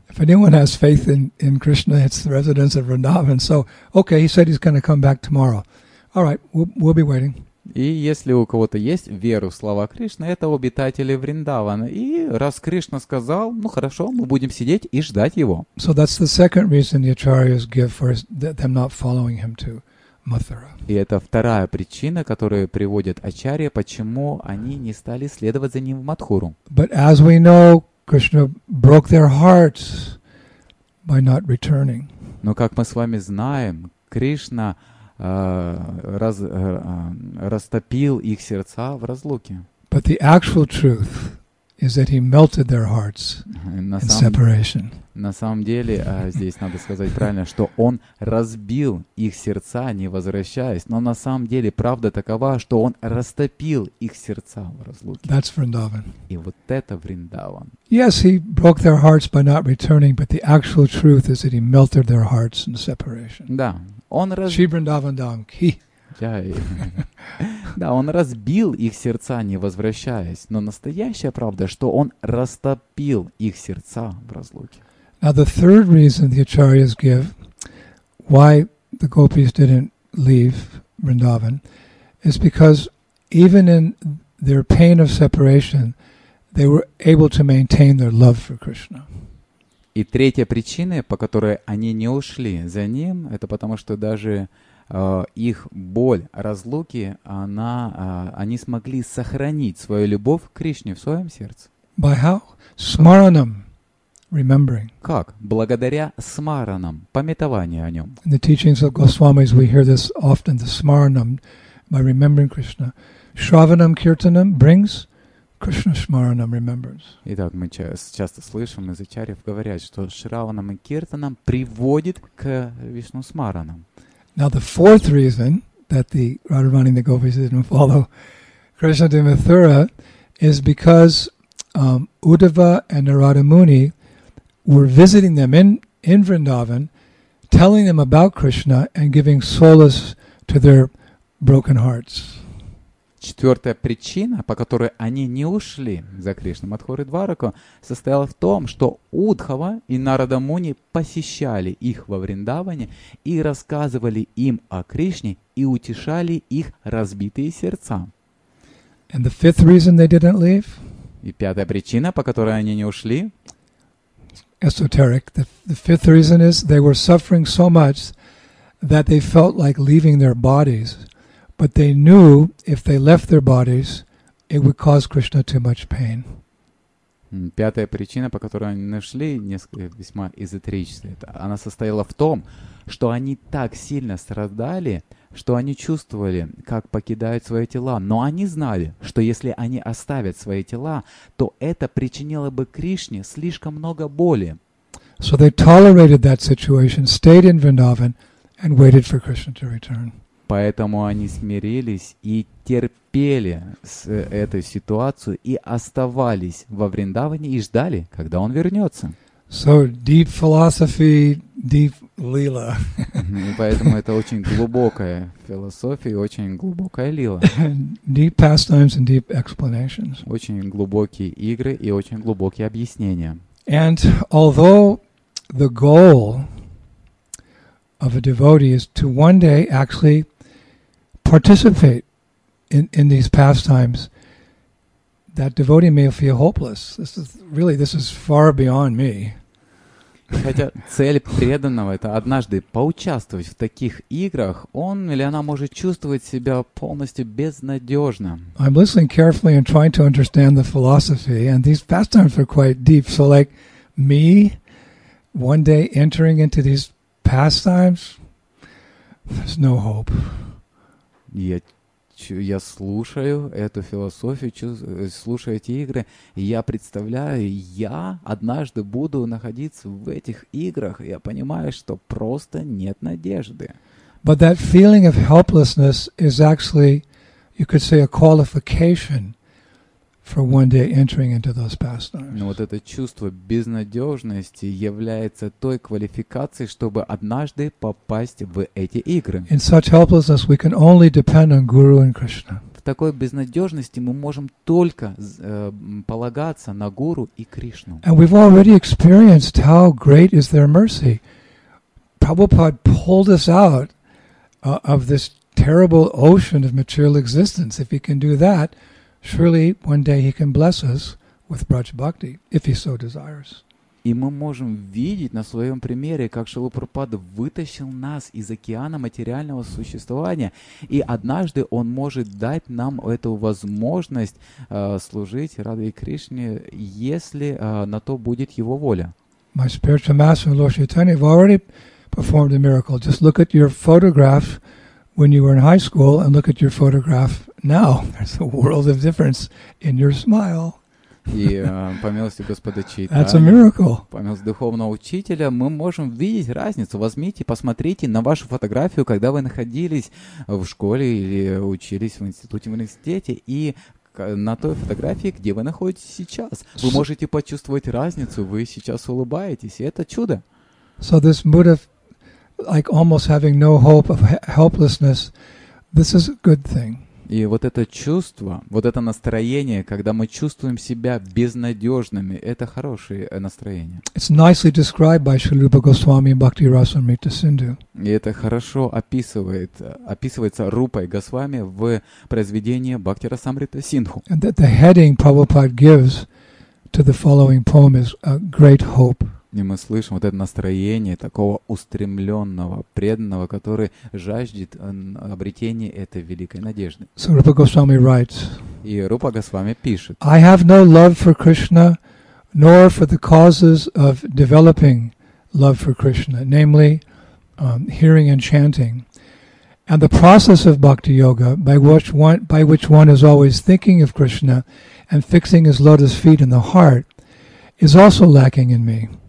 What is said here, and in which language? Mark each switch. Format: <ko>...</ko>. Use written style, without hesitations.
<en>If anyone has faith in Krishna, it's the residents of Vrindavan. So, okay, he said he's going to come back tomorrow. All right, we'll be waiting.</en> <ru>И если у кого-то есть вера в слова Кришны, это обитатели Вриндавана. И раз Кришна сказал, ну хорошо, мы будем сидеть и ждать его.</ru> <en>So that's the second reason the acharyas give for them not following him to Mathura.</en> <ru>И это вторая причина, которую приводят ачарьи, почему они не стали следовать за ним в Мадхуру.</ru> <en>But as we know, Krishna broke their hearts by not returning.</en> <ru>Но как мы с вами знаем, Кришна растопил их сердца в разлуке.</ru> <en>But the actual truth is that he melted their hearts in separation.</en> <ru>На самом деле, здесь надо сказать правильно, что он разбил их сердца, не возвращаясь. Но на самом деле, правда такова, что он растопил их сердца в разлуке.</ru> <en>That's Vrindavan.</en> <ru>И вот это Вриндаван.</ru> <en>Yes, he broke their hearts by not returning, but the actual truth is that he melted their hearts in separation.</en> <ru>Да.</ru> <hi>Shri Vrindavan Dham Ki.</hi> <ru>Да, он разбил их сердца, не возвращаясь. Но настоящая правда, что он растопил их сердца в разлуке.</ru> <en>Now the third reason the acharyas give why the gopis didn't leave Vrindavan is because even in their pain of separation, they were able to maintain their love for Krishna.</en> <ru>И третья причина, по которой они не ушли за ним, это потому что даже их боль, разлуки, они смогли сохранить свою любовь к Кришне в своем сердце.</ru> <en>By how? Smaranam, remembering.</en> <ru>Как? Благодаря смаранам, памятованию о нем.</ru> <en>In the teachings of Goswamis we hear this often, the smaranam, by remembering Krishna. Shravanam kirtanam brings... Krishna Smaranam remembers.</en> <ru>Итак, мы часто слышим из ачарьев говорят, что Шраванам и Киртанам приводит к Вишну Смаранам.</ru> <en>Now the fourth reason that the Radharani and the gopis didn't follow Krishna to Mathura is because Uddhava and Narada Muni were visiting them in Vrindavan, telling them about Krishna and giving solace to their broken hearts.</en> <ru>Четвертая причина, по которой они не ушли за Кришну Мадхуру и Двараку, состояла в том, что Удхава и Нарада Муни посещали их во Вриндаване и рассказывали им о Кришне и утешали их разбитые сердца.</ru> <en>And the fifth reason they didn't leave?</en> <ru>И пятая причина, по которой они не ушли?</ru> <en>Esoteric. The fifth reason is they were suffering so much that they felt like leaving their bodies. But they knew if they left their bodies, it would cause Krishna too much pain.</en> <ru>Пятая причина, по которой они нашли, весьма эзотерическая, она состояла в том, что они так сильно страдали, что они чувствовали, как покидают свои тела, но они знали, что если они оставят свои тела, то это причинило бы Кришне слишком много боли.</ru> <en>So they tolerated that situation, stayed in Vrindavan, and waited for Krishna to return.</en> <ru>Поэтому они смирились и терпели с этой ситуацией и оставались во Вриндаване и ждали, когда он вернется.</ru> <en>So deep philosophy, deep lila.</en> <ru>И поэтому это очень глубокая философия и очень глубокая лила.</ru> <en>Deep pastimes and deep explanations.</en> <ru>Очень глубокие игры и очень глубокие объяснения.</ru> <en>And although the goal of a devotee is to one day actually participate in these pastimes, that devotee may feel hopeless. This is far beyond me.</en> <ru>Хотя цель преданного — это однажды поучаствовать в таких играх, он или она может чувствовать себя полностью безнадежно.</ru> <en>I'm listening carefully and trying to understand the philosophy, and these pastimes are quite deep. So like me, one day entering into these pastimes, there's no hope.</en> <ru>Я слушаю эту философию, слушаю эти игры, и я представляю, я однажды буду находиться в этих играх, и я понимаю, что просто нет надежды.</ru> <en>But that feeling of helplessness is actually, you could say, a qualification for one day entering into those pastimes.</en> <ru>Но вот это чувство безнадежности является той квалификацией, чтобы однажды попасть в эти игры.</ru> <en>In such helplessness, we can only depend on Guru and Krishna.</en> <ru>В такой безнадежности мы можем только полагаться на Гуру и Кришну.</ru> <en>And we've already experienced how great is their mercy. Prabhupada pulled us out of this terrible ocean of material existence. If he can do that, surely one day he can bless us with Braj Bhakti, if he so desires.</en> <ru>И мы можем видеть на своем примере, как Шрила Прабхупада вытащил нас из океана материального существования, и однажды он может дать нам эту возможность служить Радхе Кришне, если на то будет его воля.</ru> <en>My spiritual master, Lord Chaitanya, have already performed a miracle. Just look at your photograph when you were in high school and look at your photograph now. There's a world of difference in your smile.</en> <ru>И по милости Господа Чайтаньи.</ru> <en>That's a miracle.</en> <ru>По милости духовного учителя мы можем видеть разницу. Возьмите, посмотрите на вашу фотографию, когда вы находились в школе или учились в институте, в университете, и на той фотографии, где вы находитесь сейчас. Вы можете почувствовать разницу, вы сейчас улыбаетесь, и это чудо.</ru> <en>So this mood of like almost having no hope of helplessness, this is a good thing.</en> <ru>И вот это чувство, вот это настроение, когда мы чувствуем себя безнадежными, это хорошее настроение.</ru> <en>It's nicely described by Srila Rupa Goswami in Bhakti Rasamrita Sindhu.</en> <ru>И это хорошо описывается Рупой Госвами в произведении Бхакти Расамрита Синдху.</ru> <en>And that the heading Prabhupada gives to the following poem is a great hope.</en> <ru>И мы слышим вот это настроение такого устремленного, преданного, который жаждет обретения этой великой надежды.</ru> <en>So Rupa Goswami writes,</en> <ru>и Рупа Госвами пишет:</ru> <en>I have no love for Krishna, nor for the causes of developing love for Krishna, namely, hearing and chanting, and the process of bhakti yoga, by which one is always thinking of Krishna and fixing his lotus feet in the heart, is also lacking in me.</en>